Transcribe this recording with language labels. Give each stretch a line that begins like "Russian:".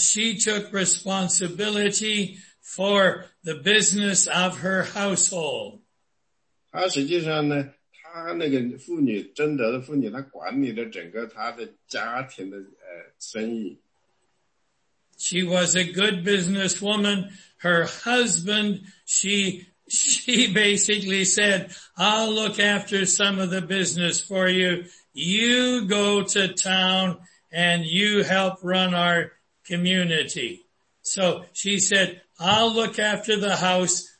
English: she took responsibility for the business of her household.
Chinese: 她实际上呢，她那个妇女贞德的妇女，她管理了整个她的家庭的生意。
English: She was a good businesswoman. Her husband, She basically said, I'll look after some of the business for you. You go to town and you help run our community. So she said, I'll look after the house.